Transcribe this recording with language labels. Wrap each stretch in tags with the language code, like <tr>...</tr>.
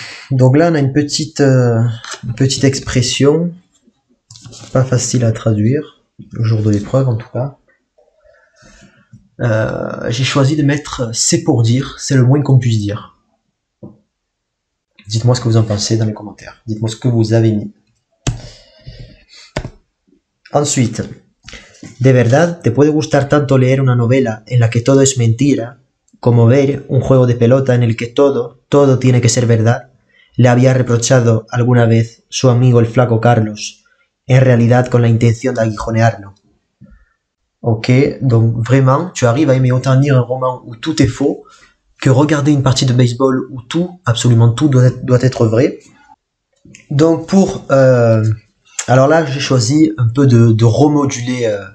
<fr>Donc là, on a une petite expression, pas facile à traduire, au jour de l'épreuve en tout cas. J'ai choisi de mettre « c'est pour dire », c'est le moins qu'on puisse dire. Dites-moi ce que vous en pensez dans les commentaires. Dites-moi ce que vous avez mis.</fr> <es>Ensuite, « De verdad, te puede gustar tanto leer una novela en la que todo es mentira, como ver un juego de pelota en el que todo tiene que ser verdad », le había reprochado alguna vez su amigo el flaco Carlos, en realidad con la intención de aguijonearlo.</es> <fr>Ok, donc vraiment, tu arrives à aimer autant lire un roman où tout est faux que regarder une partie de baseball où tout, absolument tout, doit être vrai. Donc pour... alors là, j'ai choisi un peu de remoduler...</fr>